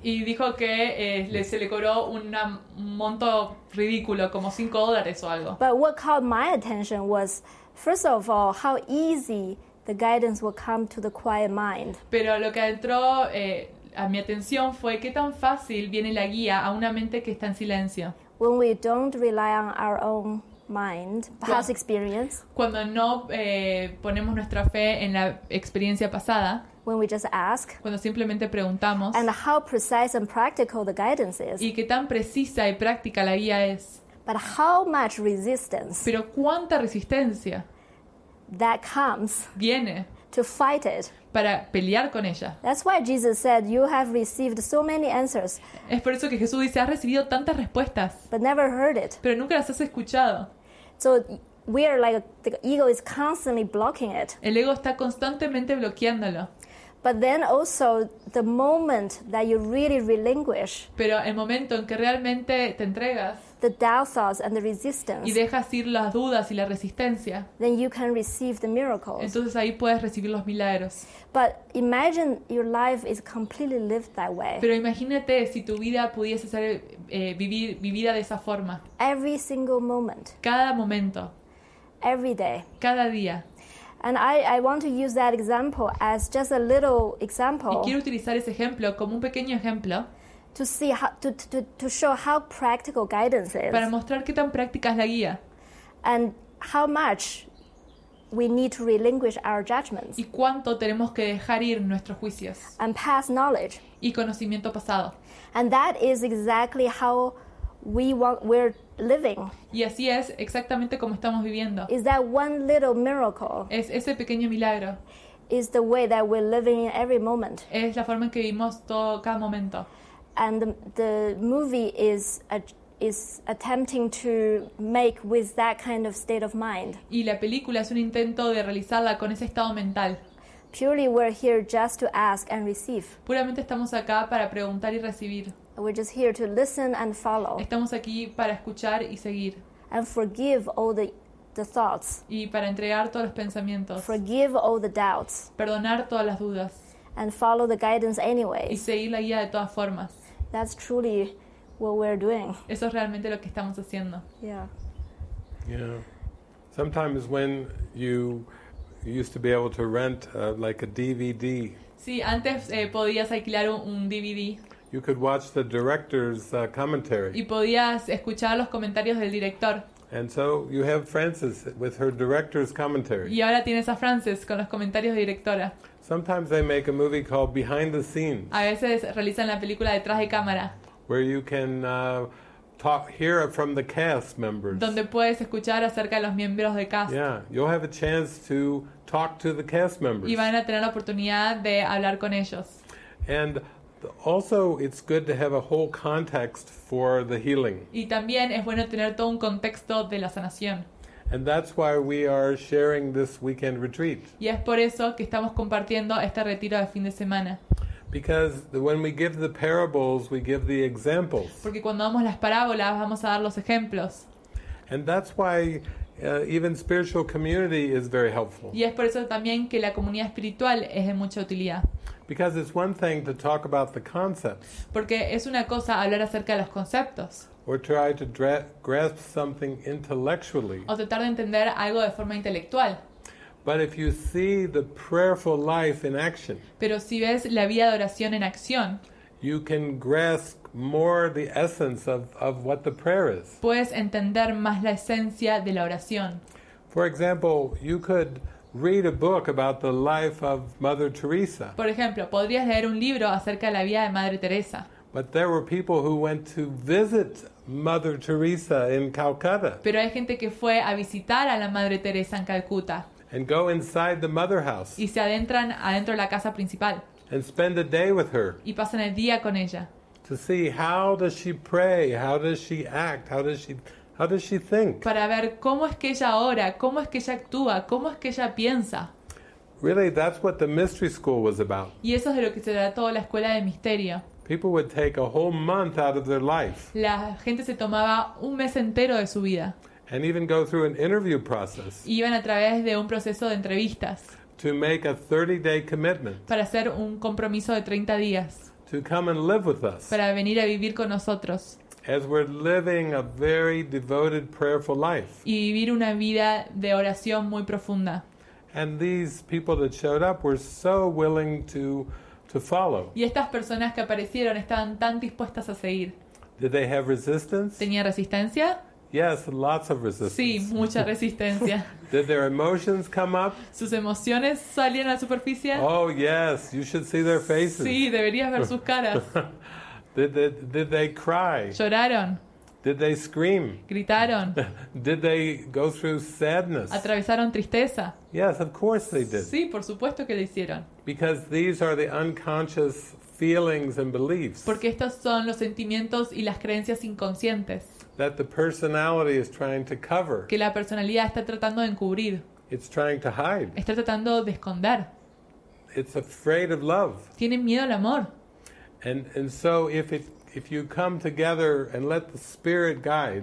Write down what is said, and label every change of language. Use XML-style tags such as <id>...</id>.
<es>Y dijo que se le cobró un monto ridículo, como $5 o algo.</es> <en>But what caught my attention was, first of all, how easy the guidance will come to the quiet mind.</en> <es>Pero lo que entró a mi atención fue qué tan fácil viene la guía a una mente que está en silencio.</es> <en>When we don't rely on our own mind, past experience.</en> <es>Cuando no ponemos nuestra fe en la experiencia pasada.</es> <en>When we just ask.</en> <es>Cuando simplemente preguntamos.</es> <en>And how precise and practical the guidance is.</en> <es>Y qué tan precisa y práctica la guía es.</es> <en>But how much resistance.</en> <es>Pero cuánta resistencia.</es> <en>That comes</en> <es>viene</es> <en>to fight it.</en> <es>Para pelear con ella.</es> <en>That's why Jesus said you have received so many answers.</en> <es>Es por eso que Jesús dice has recibido tantas respuestas.</es> <en>But never heard it.</en> <es>Pero nunca las has escuchado.</es> <en>So we are like the ego is constantly blocking it.</en> <es>El ego está constantemente bloqueándolo.</es> <en>But then also the moment that you really relinquish.</en> <es>Pero el momento en que realmente te entregas.</es> <en>The doubt thoughts and the resistance.</en> <es>Y dejas ir las dudas y la resistencia.</es> <en>Then you can receive the miracles.</en> <es>Entonces ahí puedes recibir los milagros.</es> <en>But imagine your life is completely lived that way.</en> <es>Pero imagínate si tu vida pudiese ser vivida de esa forma.</es> <en>Every single moment.</en> <es>Cada momento.</es> <en>Every day.</en> <es>Cada día.</es> <en>And I want to use that example as just a little example.</en> <es>Y quiero utilizar ese ejemplo como un pequeño ejemplo.</es> <en>To see how to show how practical guidance is.</en> <es>Para mostrar qué tan práctica es la guía.</es> <en>And how much we need to relinquish our judgments.</en> <es>Y cuánto tenemos que dejar ir nuestros juicios.</es> <en>And past knowledge.</en> <es>Y conocimiento pasado.</es> <en>And that is exactly how we're living.</en> <es>Y así es exactamente como estamos viviendo.</es> <en>Is that one little miracle?</en> <es>Es ese pequeño milagro.</es> <en>Is the way that we're living in every moment.</en> <es>Es la forma en que vivimos todo cada momento.</es> <en>And the movie is attempting to make with that kind of state of mind.</en> <es>Y la película es un intento de realizarla con ese estado mental.</es> <en>Purely we're here just to ask and receive.</en> <es>Puramente estamos acá para preguntar y recibir.</es> <en>We're just here to listen and follow.</en> <es>Estamos aquí para escuchar y seguir.</es> <en>And forgive all the thoughts.</en> <es>Y para entregar todos los pensamientos.</es> <en>Forgive all the doubts.</en> <es>Perdonar todas las dudas.</es> <en>And follow the guidance anyway.</en> <es>Y seguir la guía de todas formas.</es> <en>That's truly what we're doing.</en> <es>Eso es realmente lo que estamos haciendo.</es> <en>Yeah. Yeah. Sometimes when you used to be able to rent like a DVD.</en> <es>Sí, antes podías alquilar un DVD.</es> <en>You could watch the director's commentary.</en> <es>Y podías escuchar los comentarios del director.</es> <en>And so you have Frances with her director's commentary.</en> <es>Y ahora tienes a Frances con los comentarios de directora.</es> <en>Sometimes they make a movie called Behind the Scenes.</en> <es>A veces realizan la película detrás de cámara.</es> <en>Where you can hear it from the cast members.</en> <es>Donde puedes escuchar acerca de los miembros del cast.</es> <en>Yeah, you'll have a chance to talk to the cast members.</en> <es>Y van a tener la oportunidad de hablar con ellos.</es> <en>And Also, it's good to have a whole context for the healing.</en> <es>Y también es bueno tener todo un contexto de la sanación.</es> <en>And that's why we are sharing this weekend retreat.</en> <es>Y es por eso que estamos compartiendo este retiro de fin de semana.</es> <en>Because when we give the parables, we give the examples.</en> <es>Porque cuando damos las parábolas, vamos a dar los ejemplos.</es> <en>And that's why even spiritual community is very helpful.</en> <es>Y es por eso también que la comunidad espiritual es de mucha utilidad.</es> <en>Because it's one thing to talk about the concepts.</en> <es>Porque es una cosa hablar acerca de los conceptos.</es> <en>Or try to grasp something intellectually.</en> <es>O tratar de entender algo de forma intelectual.</es> <en>But if you see the prayerful life in action.</en> <es>Pero si ves la vida de oración en acción.</es> <en>You can grasp more the essence of what the prayer is.</en> <es>Puedes entender más la esencia de la oración.</es> <en>For example, you could read a book about the life of Mother Teresa.</en> <es>Por ejemplo, podrías leer un libro acerca de la vida de Madre Teresa.</es> <en>But there were people who went to visit Mother Teresa in Calcutta.</en> <es>Pero hay gente que fue a visitar a la Madre Teresa en Calcuta.</es> <en>And go inside the mother house.</en> <es>Y se adentran adentro de la casa principal.</es> <en>And spend a day with her.</en> <es>Y pasan el día con ella.</es> <en>To see how does she pray, how does she act, how does she think.</en> <es>Para ver cómo es que ella ora, cómo es que ella actúa, cómo es que ella piensa.</es> <en>Really, that's what the mystery school was about.</en> <es>Y eso es de lo que se trató la escuela de misterio.</es> <en>People would take a whole month out of their life.</en> <es>La gente se tomaba un mes entero de su vida.</es> <en>And even go through an interview process.</en> <es>Iban a través de un proceso de entrevistas.</es> <en>To make a 30-day commitment.</en> <es>Para hacer un compromiso de 30 días.</es> <en>To come and live with us.</en> <es>Para venir a vivir con nosotros.</es> <en>As we're living a very devoted, prayerful life.</en> <es>Y vivir una vida de oración muy profunda.</es> <en>And these people that showed up were so willing to follow.</en> <es>Y estas personas que aparecieron estaban tan dispuestas a seguir.</es> <en>Did they have resistance?</en> <es>¿Tenía resistencia?</es> <en>Yes, lots of resistance.</en> <es>Sí, mucha resistencia.</es> <en>Did their emotions come up?</en> <es>¿Sus emociones salían a la superficie?</es> <en>Oh, yes, you should see their faces.</en> <es>Sí, deberías ver sus caras.</es> <en>Did they cry?</en> <es>¿Lloraron?</es> <en>Did they scream?</en> <es>¿Gritaron?</es> <en>Did they go through sadness?</en> <es>¿Atravesaron tristeza?</es> <en>Yes, of course they did.</en> <es>Sí, por supuesto que lo hicieron.</es> <en>Because these are the unconscious feelings and beliefs.</en> <es>Porque estos son los sentimientos y las creencias inconscientes.</es> <en>That the personality is trying to cover.</en> <es>Que la personalidad está tratando de encubrir.</es> <en>It's trying to hide.</en> <es>Está tratando de esconder.</es> <en>It's afraid of love.</en> <es>Tiene miedo al amor.</es> <en>And so if you come together and let the spirit guide.</en>